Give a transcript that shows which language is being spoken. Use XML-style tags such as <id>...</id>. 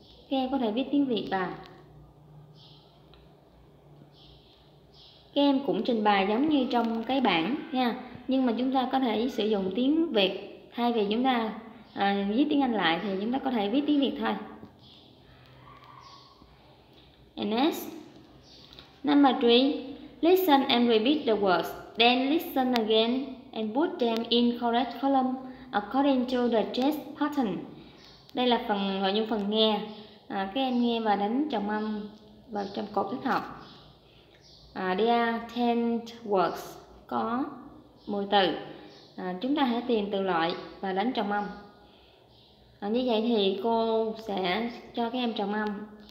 <vi>Các em có thể viết tiếng Việt vào. Các em cũng trình bày giống như trong cái bản nha, nhưng mà chúng ta có thể sử dụng tiếng Việt thay vì chúng ta viết tiếng Anh lại, thì chúng ta có thể viết tiếng Việt thôi.</vi> <en>And next, number 3, listen and repeat the words, then listen again and put them in correct column according to the test pattern.</en> <vi>Đây là phần nội dung phần nghe. Các em nghe và đánh trọng âm vào trong cột thích hợp.</vi> <en>There are 10 words,</en> <vi>có 10 từ. Chúng ta hãy tìm từ loại và đánh trọng âm. Như vậy thì cô sẽ cho các em trọng âm.</vi>